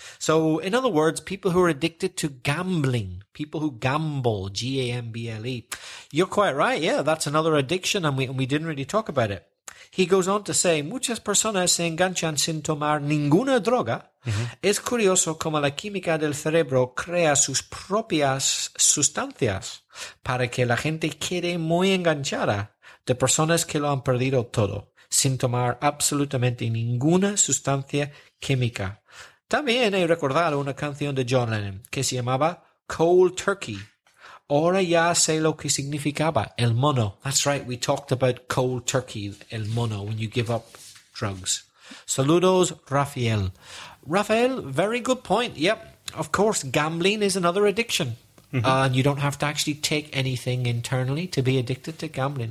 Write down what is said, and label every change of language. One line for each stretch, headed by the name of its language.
English: So, in other words, people who are addicted to gambling, people who gamble, G-A-M-B-L-E. You're quite right. Yeah, that's another addiction, and we didn't really talk about it. He goes on to say,
Spanish: muchas personas se enganchan sin tomar ninguna droga. Mm-hmm. Es curioso cómo la química del cerebro crea sus propias sustancias para que la gente quede muy enganchada de personas que lo han perdido todo sin tomar absolutamente ninguna sustancia química. También he recordado una canción de John Lennon que se llamaba Cold Turkey. Ahora ya sé lo que significaba el mono.
English: That's right, we talked about cold turkey, el mono, when you give up drugs.
Spanish: Saludos,
English: Rafael. Rafael, very good point. Yep, of course, gambling is another addiction. Mm-hmm. And you don't have to actually take anything internally to be addicted to gambling.